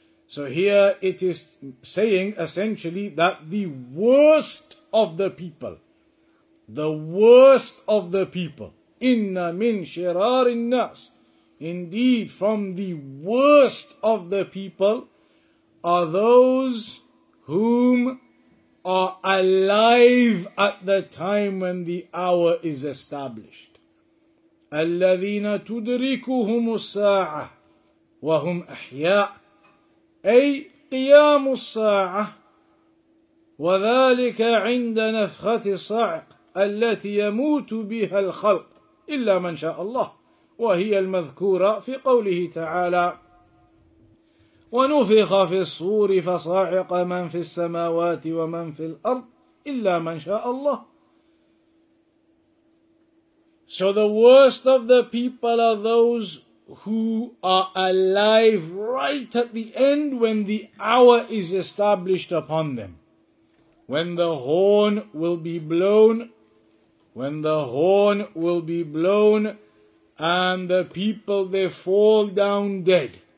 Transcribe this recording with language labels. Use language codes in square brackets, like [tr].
[en] So here it is saying, essentially, that the worst of the people, the worst of the people, [ar] إِنَّ مِنْ شِرَارِ النَّاسِ, [en] indeed, from the worst of the people, are those whom are alive at the time when the hour is established. [ar] الَّذِينَ تُدْرِكُهُمُ السَّاعَةِ وَهُمْ أَحْيَاءِ, أي قيام الساعة, وذلك عند نفخة الصعق التي يموت بها الخلق إلا من شاء الله, وهي المذكورة في قوله تعالى ونفخ في الصور فصاعق من في السماوات ومن في الأرض إلا من شاء الله. [en] So the worst of the people are those who are alive right at the end when the hour is established upon them. When the horn will be blown, when the horn will be blown and the people, they fall down dead.